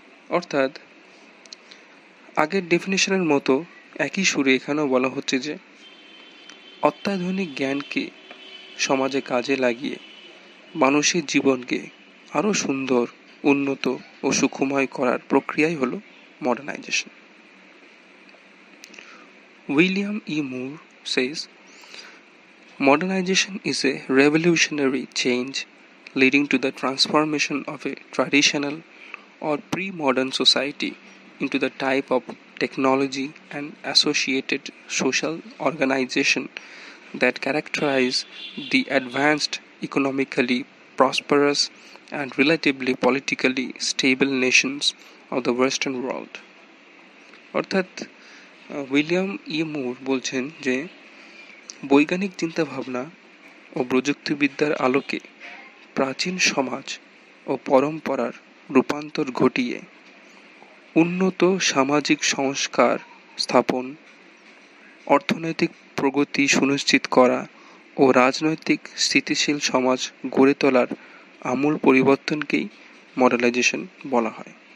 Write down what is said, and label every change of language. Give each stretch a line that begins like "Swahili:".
Bangla: অর্থাৎ আগের ডেফিনেশনের মতো একই সুরে এখানেও বলা হচ্ছে যে অত্যাধুনিক জ্ঞানকে সমাজে কাজে লাগিয়ে মানুষের জীবনকে আরও সুন্দর, উন্নত ও সুখময় করার প্রক্রিয়াই হলো modernisation.
English: William E Moore says Modernization is a revolutionary change leading to the transformation of a traditional or pre-modern society into the type of technology and associated social organization that characterize the advanced, economically prosperous and relatively politically stable nations of the Western world.
Bangla: অর্থাৎ William ই মুর বলছেন যে বৈজ্ঞানিক চিন্তাভাবনা ও প্রযুক্তিবিদ্যার আলোকে প্রাচীন সমাজ ও পরম্পরার রূপান্তর ঘটিয়ে উন্নত সামাজিক সংস্কার স্থাপন, অর্থনৈতিক প্রগতি সুনিশ্চিত করা ও রাজনৈতিক স্থিতিশীল সমাজ গড়ে তোলার আমূল পরিবর্তনকেই মডার্নাইজেশন বলা হয়।